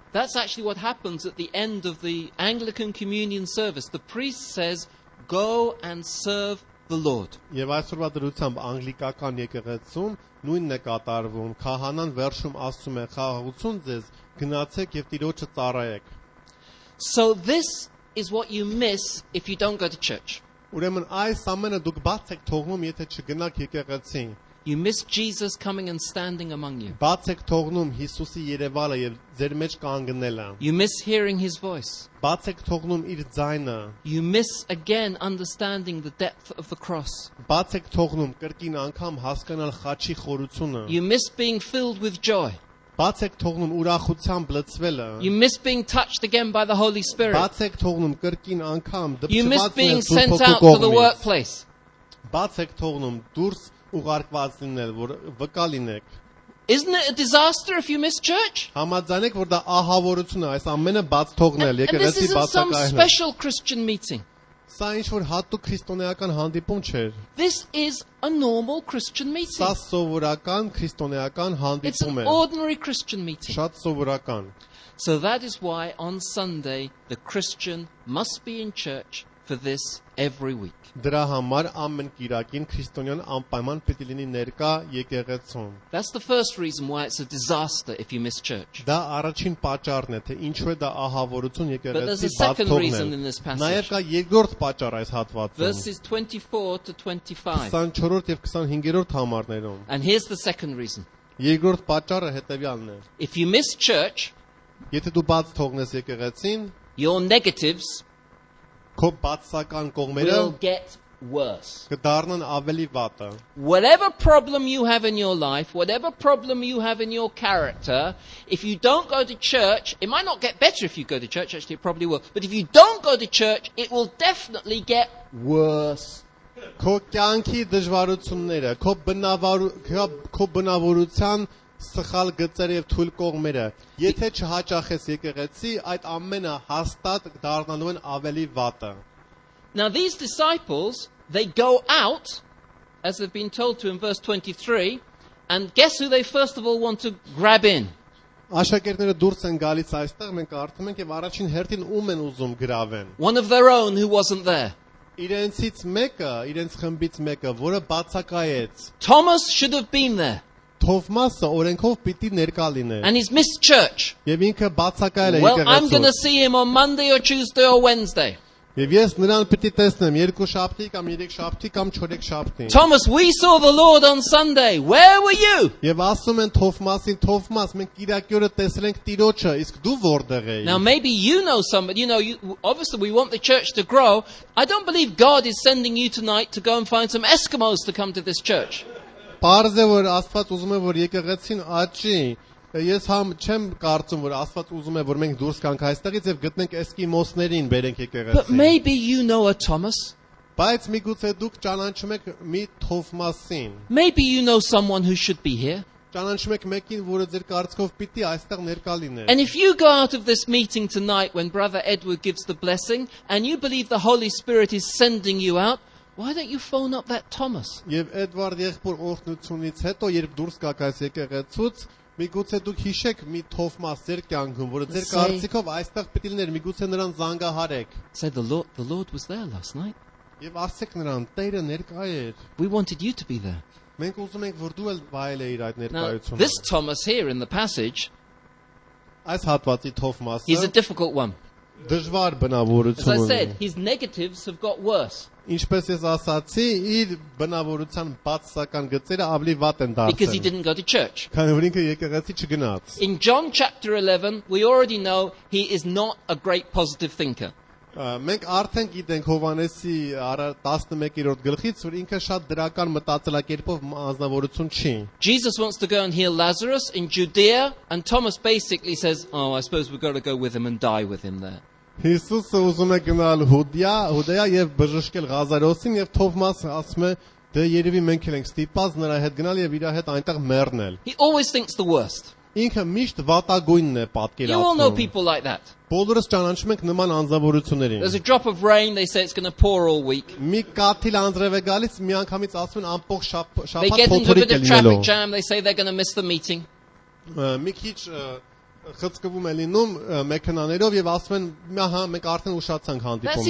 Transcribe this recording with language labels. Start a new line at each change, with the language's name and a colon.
English: That's actually what happens at the end of the Anglican communion service. The priest says, "Go and serve the Lord."
Armenian: Եվ այսօրվա դրությամբ անգլիկական եկեղեցում նույնն է կատարվում։ Քահանան վերջում ասում է, «Խաղաղություն ձեզ, գնացեք եւ Տիրոջը ծառայեք»։
English: So this is what you miss if you don't go to church.
Armenian: Ուրեմն այս ամենը դուք բաց եք թողնում, եթե չգնաք եկեղեցին։
English: You miss Jesus coming and standing among you.
Armenian: Բաց եք թողնում Հիսուսի երևալը եւ ձեր մեջ կանգնելը։
English: You miss hearing his voice.
Armenian: Բաց եք թողնում իր ձայնը։
English: You miss again understanding the depth of the cross.
Armenian: Բաց եք թողնում կրկին անգամ հասկանալ խաչի խորությունը։
English: You miss being filled with joy.
Armenian: Բաց եք թողնում ուրախությամբ լցվելը։
English: You miss being touched again by the Holy Spirit.
Armenian: Բաց եք թողնում կրկին անգամ դպչվածներ դուրս գալու կողմից։ Բաց եք թողնում դուրս ուղարկված լինել, որ վկա լինեք։
English: Isn't it a disaster if you miss church?
Armenian: Համաձայնեք, որ դա ահավորություն է, այս ամենը բաց թողնել, եկեղեցի բացակայելը։
English: This is some special Christian meeting.
Armenian: Սա ինչ-որ հատուկ քրիստոնեական հանդիպում չէ։
English: This is a normal Christian meeting.
Armenian: Սա սովորական քրիստոնեական հանդիպում է։
English: It's an ordinary Christian meeting.
Armenian: Շատ սովորական։
English: So that is why on Sunday the Christian must be in church for this every week.
Armenian: Դրա համար ամեն կիրակին քրիստոնյան անպայման պետք է լինի ներկա եկեղեցում։
English: That's the first reason why it's a disaster if you miss church.
Armenian: Դա առաջին պատճառն է, թե ինչու է դա ահավորություն եկեղեցի բացողնել։ Նաև կա երկրորդ պատճառ այս հատվածում։
English: Verses 24 to 25.
Armenian: 24-րդ եւ 25-րդ համարներում։
English: And here's the second reason.
Armenian: Երկրորդ պատճառը հետեւյալն է։
English: If you miss church,
Armenian: եթե դու բաց թողնես եկեղեցին,
English: your negatives
Armenian: քո բացական կողմերը կդառնան ավելի վատը։
English: Whatever problem you have in your life, whatever problem you have in your character, if you don't go to church, it might not get better if you go to church, actually it probably will. But if you don't go to church, it will definitely get worse.
Armenian: Քո կյանքի դժվարությունները, քո բնավորության սխալ գծեր եւ թույլ կողմերը եթե չհաճախես եկեղեցի այդ ամենը հաստատ դառնալու են ավելի վատը
English: Now these disciples they go out as they've been told to in verse 23 and guess who they first of all want to grab in
Armenian: Աշակերտները դուրս են գալիս այստեղ մենք արդեն ենք եւ առաջին հերթին ում են ուզում գրավեն
English: One of their own who wasn't there
Armenian: Իրենցից մեկը իրենց խմբից մեկը որը բացակայեց
English: Thomas should have been there
Armenian: Թովմասը օրենքով պիտի ներկա լիներ
English: And he's missed church
Armenian: Եվ ինքը բացակայել է եկեղեցու
English: Well I'm going to see him on Monday or Tuesday or Wednesday
Armenian: Եվ ես նրան պիտի տեսնեմ երկու շաբթի կամ երեք շաբթի կամ չորեք շաբթին
English: Thomas we saw the Lord on Sunday where were you
Armenian: Եվ ասում են Թովմասին Թովմաս մենք Կիրակյորը տեսել ենք Տիրոջը իսկ դու որտեղ ես
English: Now maybe you know somebody you know you, obviously we want the church to grow I don't believe God is sending you tonight to go and find some Eskimos to come to this church
Armenian: Պարզ է որ Աստված ուզում է որ եկեղեցին աճի Ես համ չեմ կարծում որ Աստված ուզում է որ մենք դուրս գանք այստեղից եւ գտնենք էսկիմոսներին բերենք եկեղեցին
English: But maybe you know a Thomas
Armenian: Բայց մի գուցե դուք ճանաչում եք մի Թովմասին
English: Maybe you know someone who should be here
Armenian: Ճանաչում եք մեկին որը ձեր կարծիքով պիտի այստեղ ներկա լիներ
English: And if you go out of this meeting tonight when brother Edward gives the blessing and you believe the Holy Spirit is sending you out Why don't you phone up that Thomas
Armenian: Եվ Էդվարդ եղբոր օգնությունից հետո երբ դուրս գաք այս եկեղեցուց Միգուցե դուք հիշեք մի Թովմաս ձեր կյանքում, որը ձեր կարծիքով այստեղ պիտի լիներ, միգուցե նրան զանգահարեք։
English: Say the Lord was there last night.
Armenian: Եվ ասեք նրան, Տերը ներկա էր։
English: We wanted you to be there.
Armenian: Մենք ուզում ենք, որ դու էլ վայելեիր այդ ներկայությունը։
English: This Thomas here in the passage.
Armenian: Այս հատվածի Թովմասը։
English: He's a difficult one.
Armenian: Դժվար բնավորություն ունի։
English: As I said, his negatives have got worse.
Armenian: Ինչպես ես ասացի, իր բնավորության բացասական գծերը ավելի վատ են դարձել։
English: Because he didn't go to church.
Armenian: Քանի որ ինքը եկեղեցի չգնաց։
English: In John chapter 11, we already know he is not a great positive thinker.
Armenian: Մենք արդեն գիտենք Հովանեսի 11-րդ գլխից, որ ինքը շատ դրական մտածելակերպով անձնավորություն չի։
English: Jesus wants to go and heal Lazarus in Judea, and Thomas basically says, "Oh, I suppose we've got to go with him and die with him there."
Armenian: Հիսուսը ուզում է գնալ Հուդեա եւ բժշկել Ղազարոսին եւ Թովմասը ասում է դե երևի մենք ենք ստիպած նրա հետ գնալ եւ իր հետ այնտեղ մեռնել
English: He always thinks the worst
Armenian: Ինքը միշտ վատագույնն է պատկերացնում
English: You all know people like that
Armenian: Բոլորս ճանաչում ենք նման անձնավորություններին
English: There's a drop of rain they say it's going to pour all week
Armenian: Մի կաթիլ անձրև է գալիս միանգամից ասում են ամբողջ շաբաթ փոթորիկ է լինելու
English: They say they're going to miss the meeting
Armenian: Մի քիչ խցկվում է լինում մեքենաներով եւ ասում են հա մենք արդեն ուշացանք հանդիպումից